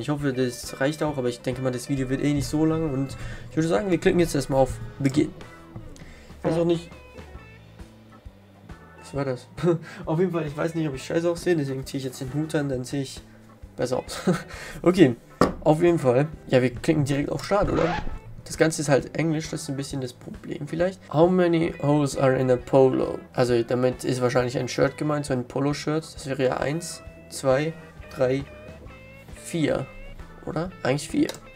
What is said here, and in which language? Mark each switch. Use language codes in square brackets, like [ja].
[de] Ich hoffe, das reicht auch, aber ich denke mal, das Video wird eh nicht so lang. Und ich würde sagen, wir klicken jetzt erstmal auf Beginn. Ich weiß auch nicht. Was war das? Auf jeden Fall, ich weiß nicht, ob ich scheiße aussehe, deswegen ziehe ich jetzt den Hut an, dann sehe ich besser aus. Okay. Auf jeden Fall. Ja, wir klicken direkt auf Start, oder? Das Ganze ist halt Englisch, das ist ein bisschen das Problem vielleicht. [en] How many holes are in a polo? [de] Also damit ist wahrscheinlich ein Shirt gemeint, so ein Polo-Shirt. Das wäre ja 1, 2, 3, 4. Oder? Eigentlich 4.